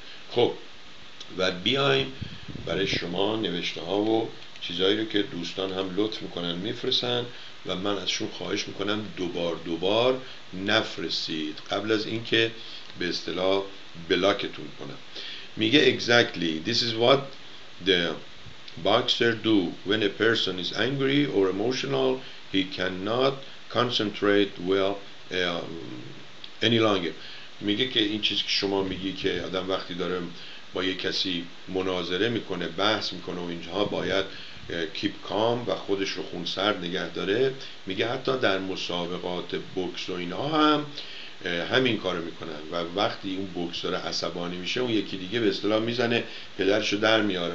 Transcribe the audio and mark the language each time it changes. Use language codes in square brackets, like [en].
[fa] خب و بیایم برای شما نوشته ها و چیزایی رو که دوستان هم لطف میکنن میفرسن و من ازشون خواهش میکنم دوبار نفرستید قبل از اینکه به اصطلاح بلاکتون کنم. میگه [en] exactly this is what the boxer do when a person is angry or emotional he cannot concentrate well any longer. [fa] میگه که این چیزی که شما میگی که آدم وقتی داره با یک کسی مناظره میکنه بحث میکنه و اینجاها باید [en] keep calm [fa] و خودش رو خونسرد نگه داره، میگه حتی در مسابقات بوکس و اینها هم همین کارو میکنن و وقتی اون بوکسر عصبانی میشه اون یکی دیگه به اصطلاح میزنه پدرشو در میاره.